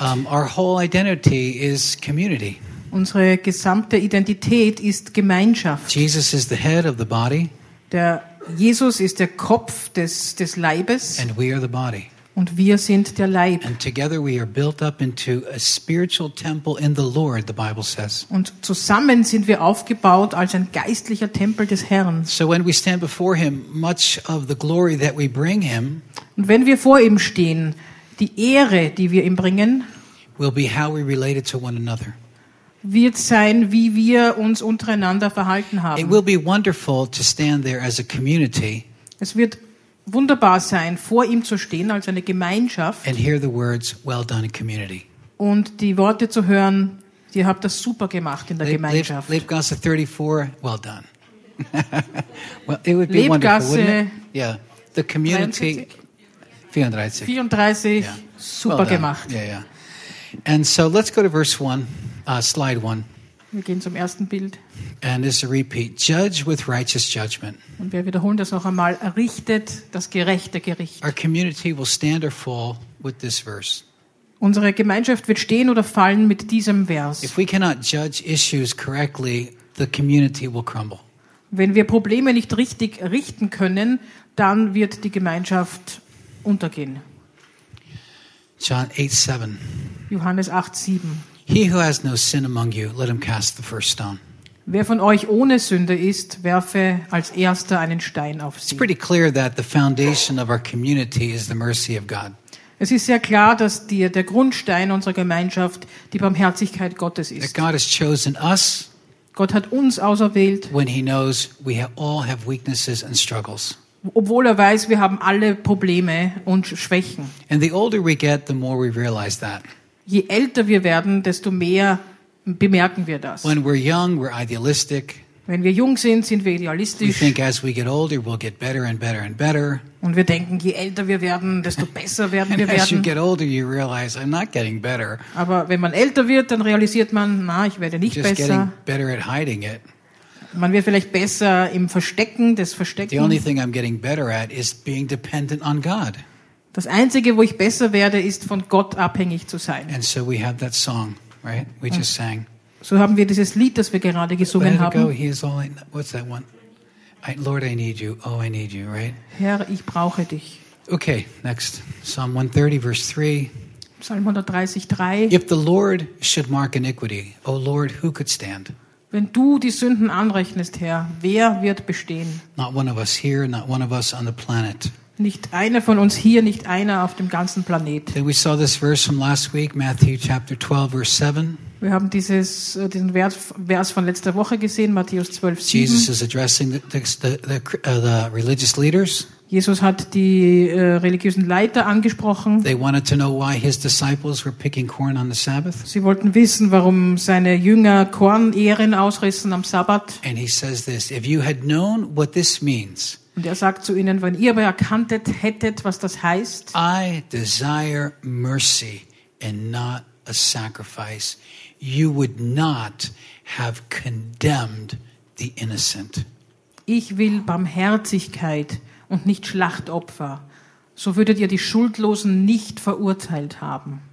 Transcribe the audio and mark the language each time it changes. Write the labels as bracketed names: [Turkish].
[English] Our whole identity is community. [German] Unsere gesamte Identität ist Gemeinschaft. [English] Jesus is the head of the body. [German] Der Jesus ist der Kopf des Leibes. [English] And we are the body. [German] Und wir sind der Leib. [English] And together we are built up into a spiritual temple in the Lord, the Bible says. [German] Und zusammen sind wir aufgebaut als ein geistlicher Tempel des Herrn. [English] So when we stand before him, much of the glory that we bring him, [German] und wenn wir vor ihm stehen, die Ehre, die wir ihm bringen, [English] will be how we related to one another. [German] Wird sein, wie wir uns untereinander verhalten haben. [English] It will be wonderful to stand there as a community. [German] Es wird wunderbar sein, vor ihm zu stehen als eine Gemeinschaft. [English] And hear the words, well done, community. [German] Und die Worte zu hören, ihr habt das super gemacht in der Gemeinschaft. [English] Lebgasse 34, well done. Well, it would be wonderful, wouldn't it? Yeah, the community. 34. Yeah. Super well [German] gemacht. [English] Yeah, yeah. And so let's go to verse 1, slide 1. [German] Wir gehen zum ersten Bild. [English] And it's a repeat. Judge with righteous judgment. [German] Und wir wiederholen das noch einmal. Errichtet das gerechte Gericht. [English] Our community will stand or fall with this verse. [German] Unsere Gemeinschaft wird stehen oder fallen mit diesem Vers. [English] If we cannot judge issues correctly, the community will crumble. [German] Wenn wir Probleme nicht richtig richten können, dann wird die Gemeinschaft untergehen. [English] John 8:7. [German] Johannes 8:7. [English] He who has no sin among you, let him cast the first stone. [German] Wer von euch ohne Sünde ist, werfe als erster einen Stein auf sie. [English] It's pretty clear that the foundation of our community is the mercy of God. [German] Es ist sehr klar, dass der Grundstein unserer Gemeinschaft die Barmherzigkeit Gottes ist. [English] That God has chosen us. [German] Gott hat uns auserwählt. [English] When he knows we all have weaknesses and struggles. [German] Obwohl weiß, wir haben alle Probleme und Schwächen. [English] And the older we get, the more we realize that. [German] Je älter wir werden, desto mehr bemerken wir das. [English] When we're young, we're idealistic. [German] Wenn wir jung sind, sind wir idealistisch. [English] We think as we get older, we'll get better and better and better. [German] Und wir denken, je älter wir werden, desto besser werden [English] and [German] wir [English] as [German] werden. [English] As you get older, you realize I'm not getting better. [German] Aber wenn man älter wird, dann realisiert man, na, ich werde nicht [English] just [German] besser. [English] Just getting better at hiding it. [German] Man wird vielleicht besser im Verstecken, des Verstecken. [English] The only thing I'm getting better at is being dependent on God. [German] Das Einzige, wo ich besser werde, ist von Gott abhängig zu sein. [English] And so we have that song, right? We just sang. [German] So haben wir dieses Lied, das wir gerade gesungen haben. [English] He is all I know. What's that one? Lord, I need you. Oh, I need you, right? [German] Herr, ich brauche dich. [English] Okay, next. Psalm 130, verse 3. [German] Psalm 130, 3. [English] If the Lord should mark iniquity, O Lord, who could stand? [German] Wenn du die Sünden anrechnest, Herr, wer wird bestehen? [English] Not one of us here, not one of us on the planet. [German] Nicht einer von uns hier, nicht einer auf dem ganzen Planet. [English] Then we saw this verse from last week, Matthew chapter 12, verse 7. [German] Wir haben diesen Vers von letzter Woche gesehen, Matthäus 12, 7. [English] Jesus is addressing the religious leaders. [German] Jesus hat die religiösen Leiter angesprochen. [English] They wanted to know why his disciples were picking corn on the Sabbath. [German] Sie wollten wissen, warum seine Jünger Kornähren ausrissen am Sabbat. [English] And he says this, if you had known what this means. [German] Und er sagt zu ihnen, wenn ihr aber erkanntet hättet, was das heißt. [English] I desire mercy and not a sacrifice. You would not have condemned the innocent. [German] Ich will Barmherzigkeit und nicht Schlachtopfer. So würdet ihr die Schuldlosen nicht verurteilt haben.